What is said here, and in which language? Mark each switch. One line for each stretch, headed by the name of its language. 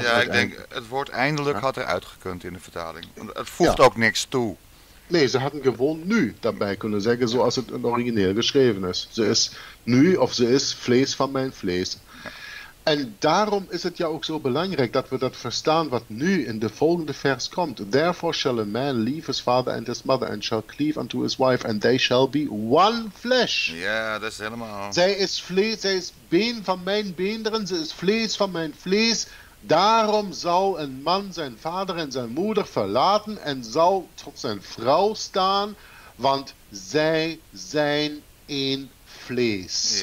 Dutch: Als ja, ik denk, het woord eindelijk had er uitgekund in de vertaling. Het voegt ook niks toe. Nee, ze hadden gewoon nu daarbij kunnen zeggen, zoals het in origineel geschreven is. Ze is nu, of ze is vlees van mijn vlees. En daarom is het ja ook zo belangrijk dat we dat verstaan wat nu in de volgende vers komt.
English: Therefore shall a man leave his father and his mother and shall cleave unto his wife and they shall be one flesh.
Dutch: Ja, yeah, dat is helemaal... Zij is vlees, zij is been van mijn beenderen, ze is vlees van mijn vlees. Daarom zal een man zijn vader en zijn moeder verlaten en zal tot zijn vrouw staan, want zij zijn één vlees.